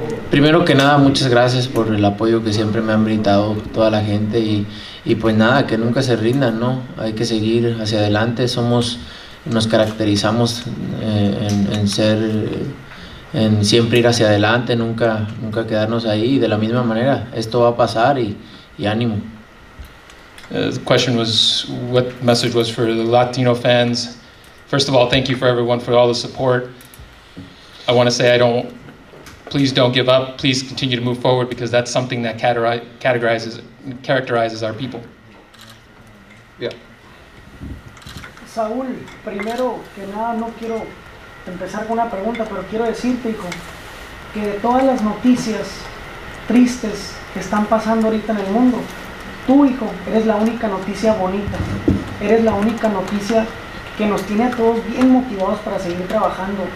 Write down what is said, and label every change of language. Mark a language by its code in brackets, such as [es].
[es] primero que nada, muchas gracias por el apoyo que siempre me han brindado toda la gente y pues nada, que nunca se rindan, ¿no? Hay que seguir hacia adelante. Nos caracterizamos en ser en siempre ir hacia adelante, nunca quedarnos ahí. De la misma manera, esto va a pasar y ánimo. [en] The question was, what message was for the Latino fans? First of all, thank you for everyone for all the support. I want to say please don't give up, please continue to move forward, because that's something that characterizes our people. Yeah. [es] Saúl, primero que nada, no quiero empezar con una pregunta, pero quiero decirte, hijo, que de todas las noticias tristes que están pasando ahorita en el mundo, tú, hijo, eres la única noticia bonita. Eres la única noticia que nos tiene a todos bien motivados para seguir trabajando.